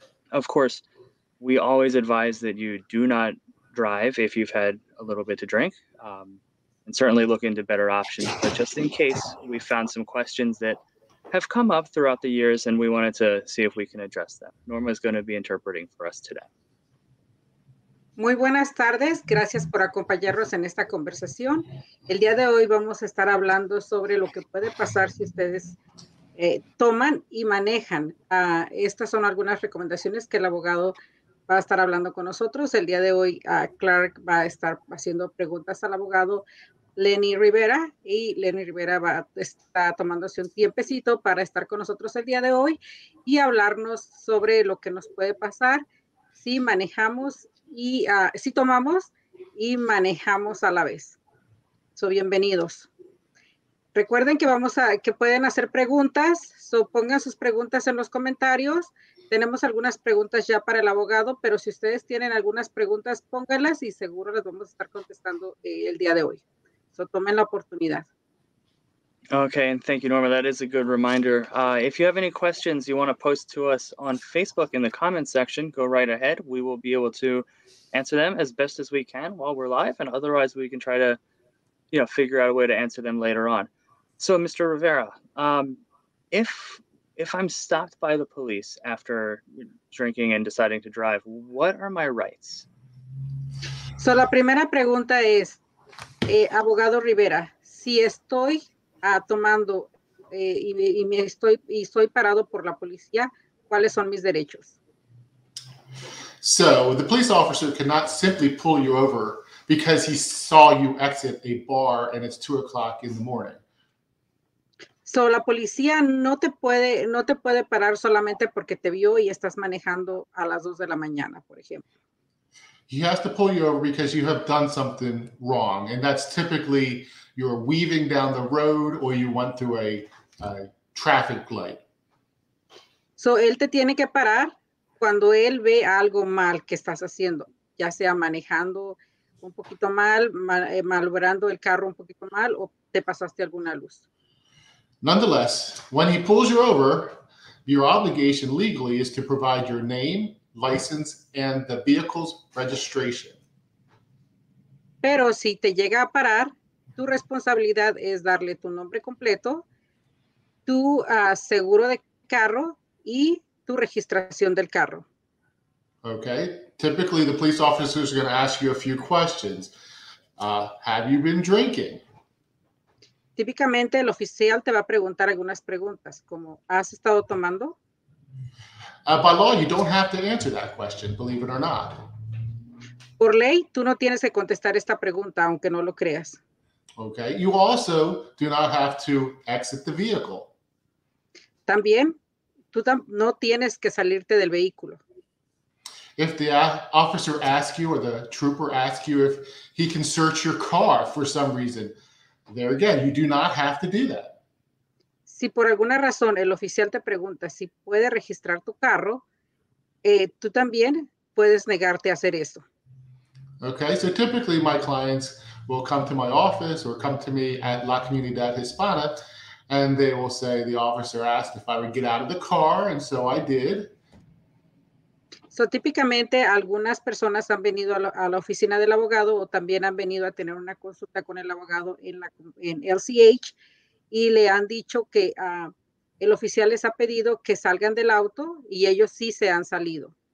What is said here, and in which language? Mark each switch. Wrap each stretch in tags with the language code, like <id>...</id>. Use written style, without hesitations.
<en>Of course, we always advise that you do not drive if you've had a little bit to drink, and certainly look into better options. But just in case, we found some questions that have come up throughout the years, and we wanted to see if we can address them. Norma is going to be interpreting for us today.</en> <es>Muy buenas tardes, gracias por acompañarnos en esta conversación. El día de hoy vamos a estar hablando sobre lo que puede pasar si ustedes toman y manejan. Estas son algunas recomendaciones que el abogado va a estar hablando con nosotros. El día de hoy, Clark va a estar haciendo preguntas al abogado Lenny Rivera y Lenny Rivera está tomándose un tiempecito para estar con nosotros el día de hoy y hablarnos sobre lo que nos puede pasar si manejamos. Y si tomamos y manejamos a la vez. So, bienvenidos. Recuerden que que pueden hacer preguntas. So, pongan sus preguntas en los comentarios. Tenemos algunas preguntas ya para el abogado, pero si ustedes tienen algunas preguntas, pónganlas y seguro las vamos a estar contestando el día de hoy. So, tomen la oportunidad.</es> <en>Okay, and thank you, Norma. That is a good reminder. If you have any questions you want to post to us on Facebook in the comments section, go right ahead. We will be able to answer them as best as we can while we're live, and otherwise we can try to, figure out a way to answer them later on. So, Mr. Rivera, if I'm stopped by the police after drinking and deciding to drive, what are my rights?</en> <es>So, la primera pregunta es, abogado Rivera, si estoy tomando y me estoy y soy parado por la policía, ¿cuáles son mis derechos?</es> <en>So, the police officer cannot simply pull you over because he saw you exit a bar and it's 2 o'clock in the morning.</en> <es>So, la policía no te puede parar solamente porque te vio y estás manejando a las 2 de la mañana, por ejemplo.</es> <en>He has to pull you over because you have done something wrong, and that's typically you're weaving down the road or you went through a traffic light.</en> <es>So, él te tiene que parar cuando él ve algo mal que estás haciendo, ya sea manejando un poquito mal, malogrando el carro un poquito mal o te pasaste alguna luz.</es> <en>Nonetheless, when he pulls you over, your obligation legally is to provide your name, license, and the vehicle's registration.</en> <es>Pero si te llega a parar, tu responsabilidad es darle tu nombre completo, tu seguro de carro y tu registración del carro.</es> <en>Okay, typically the police officers are going to ask you a few questions. Have you been drinking?</en> <es>Típicamente el oficial te va a preguntar algunas preguntas como, ¿has estado tomando?</es> <en>By law, you don't have to answer that question, believe it or not.</en> <es>Por ley, tú no tienes que contestar esta pregunta, aunque no lo creas.</es> <en>Okay, you also do not have to exit the vehicle.</en> <es>También, tú no tienes que salirte del vehículo.</es> <en>If the officer asks you or the trooper asks you if he can search your car for some reason, there again, you do not have to do that.</en> <es>Si por alguna razón el oficial te pregunta si puede registrar tu carro, tú también puedes negarte a hacer eso.</es> <en>Okay, so typically my clients will come to my office or come to me at La Comunidad Hispana, and they will say the officer asked if I would get out of the car, and so I did.</en> <es>So, típicamente algunas personas han venido a la oficina del abogado o también han venido a tener una consulta con el abogado en LCH y le han dicho que el oficial les ha pedido que salgan del auto y ellos sí se han salido.</es>